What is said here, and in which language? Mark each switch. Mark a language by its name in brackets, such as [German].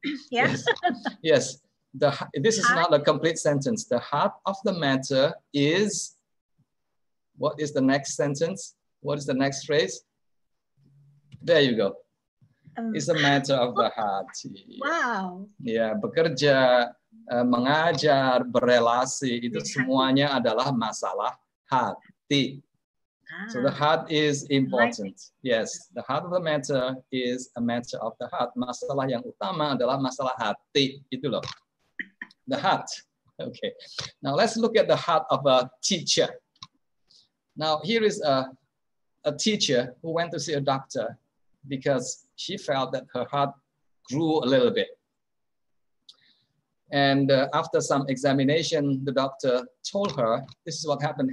[English] Yes. Yes. This is not a complete sentence. The heart of the matter is... What is the next sentence? What is the next phrase? There you go. It's a matter of the heart. Wow. [Indonesian] Yeah, bekerja, mengajar, berelasi, itu semuanya adalah masalah hati. [English] Ah. So the heart is important. Yes, the heart of the matter is a matter of the heart. [Indonesian] Masalah yang utama adalah masalah hati. Itu loh. [English] The heart. Okay. Now let's look at the heart of a teacher. Now here is a teacher who went to see a doctor because she felt that her heart grew a little bit. And after some examination, the doctor told her, this is what happened.